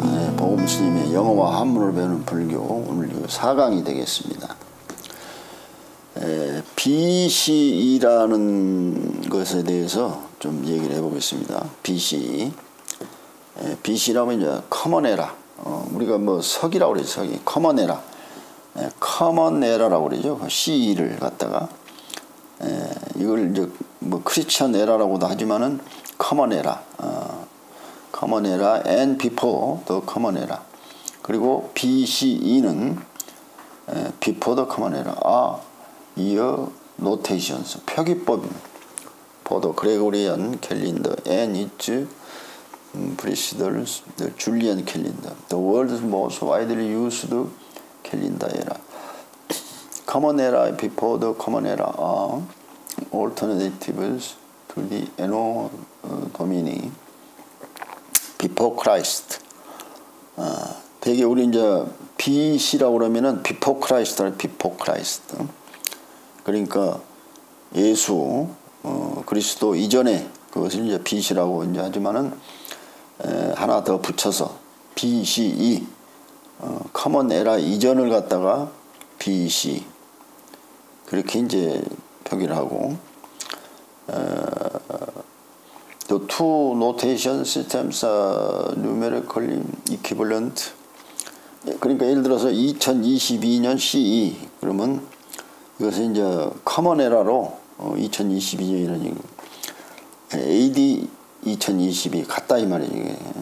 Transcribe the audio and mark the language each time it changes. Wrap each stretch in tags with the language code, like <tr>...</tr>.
<ko>네, 보금스님의 영어와 한문을 배우는 불교 오늘 4강이 되겠습니다. 에, BCE라는 것에 대해서 좀 얘기를 해보겠습니다. BCE. BCE라면 이제 Common Era. 우리가 뭐 석이라고 그러죠. 석이. Common Era. Common Era라고 그러죠. CE를 갖다가. 에, 이걸 이제 뭐 Christian Era라고도 하지만은 Common Era.</ko> <en>Common Era and before the Common Era. 그리고 BCE는 before the Common Era. 아, year notations. 표기법. For the Gregorian calendar and its precedors, the Julian calendar. The world's most widely used calendar era. Common Era and before the Common Era are alternatives to the Anno Domini. Before Christ.</en> <ko>되게 우리 이제 BC라고 그러면은</ko> <en>Before Christ, Before Christ.</en> <ko>그러니까 예수, 그리스도 이전에 그것을 이제 BC라고 이제 하지만은 하나 더 붙여서 BCE, Common Era 이전을 갖다가 BC. 그렇게 이제 표기를 하고,</ko> <en>The two notation systems are numerically equivalent.</en> <ko>그러니까 예를 들어서 2022년 CE 그러면 이것은 이제 Common Era로 2022년이라니 AD 2022 같다 이 말이지.</ko>